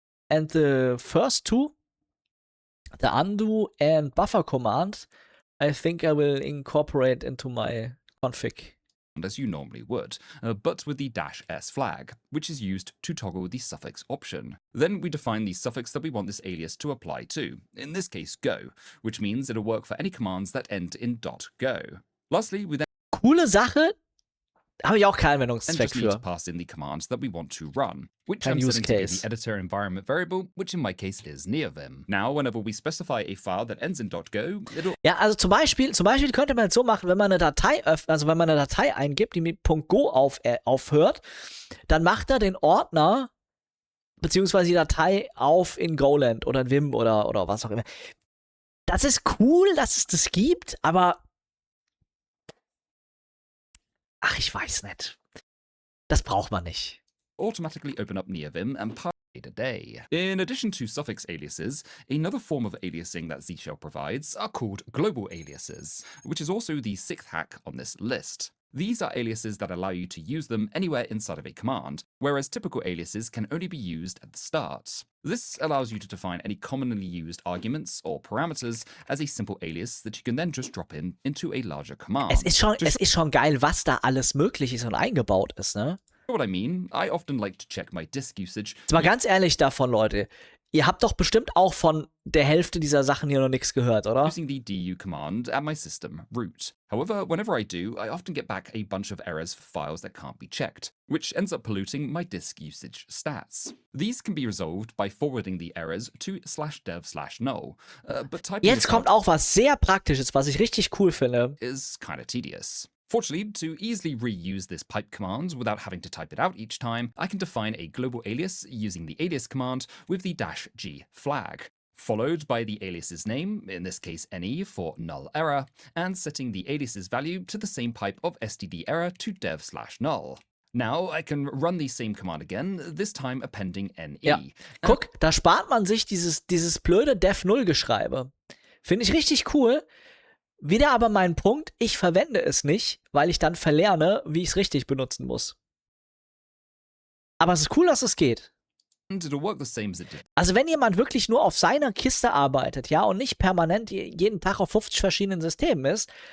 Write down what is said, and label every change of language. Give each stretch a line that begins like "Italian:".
English: And the first two, the undo and buffer command, I think I will incorporate into my config. As you normally would, but with the dash s flag, which is used to toggle the suffix option. Then we define the suffix that we want this alias to apply to, in this case go, which means it'll work for any commands that end in .go. Lastly, we then...
German: Coole Sache, habe ich auch keinen Anwendungszweck für.
English: And just need to pass in the command that we want to run, which I'm setting to be the editor environment variable, which in my case is NeoVim. Now, whenever we specify a file that ends in .go, it'll...
German: Ja, also zum Beispiel könnte man es so machen, wenn man eine Datei öffnet, also wenn man eine Datei eingibt, die mit .go aufhört, dann macht er den Ordner beziehungsweise die Datei auf in Goland oder in Vim oder was auch immer. Das ist cool, dass es das gibt, aber... Ach, ich weiß nicht. Das braucht man nicht.
English: Automatically open up NeoVim and parse a day. In addition to suffix aliases, another form of aliasing that Z-Shell provides are called global aliases, which is also the sixth hack on this list. These are aliases that allow you to use them anywhere inside of a command, whereas typical aliases can only be used at the start. This allows you to define any commonly used arguments or parameters as a simple alias that you can then just drop in into a larger command.
German: Es ist schon geil, was da alles möglich ist und eingebaut ist, ne?
English: You know what I mean? I often like to check my disk usage.
German: Jetzt mal ganz ehrlich davon, Leute. Ihr habt doch bestimmt auch von der Hälfte dieser Sachen hier noch nichts gehört, oder?
English: Using the du command at my system root. However, whenever I do, I often get back a bunch of errors for files that can't be checked, which ends up polluting my disk usage stats. These can be resolved by forwarding the errors to /dev/null. But typing
German: Jetzt kommt auch was sehr Praktisches, was ich richtig cool finde.
English: Is kind of tedious. Fortunately, to easily reuse this pipe command without having to type it out each time, I can define a global alias using the alias command with the dash g flag, followed by the alias's name, in this case any for null error, and setting the alias's value to the same pipe of std error to /dev/null. Now I can run the same command again, this time appending ne.
German: Ja. Guck, da spart man sich dieses blöde dev-null-Geschreibe. Finde ich richtig cool. Wieder aber mein Punkt, ich verwende es nicht, weil ich dann verlerne, wie ich es richtig benutzen muss. Aber es ist cool, dass es geht. Also wenn jemand wirklich nur auf seiner Kiste arbeitet, ja, und nicht permanent jeden Tag auf 50 verschiedenen Systemen ist,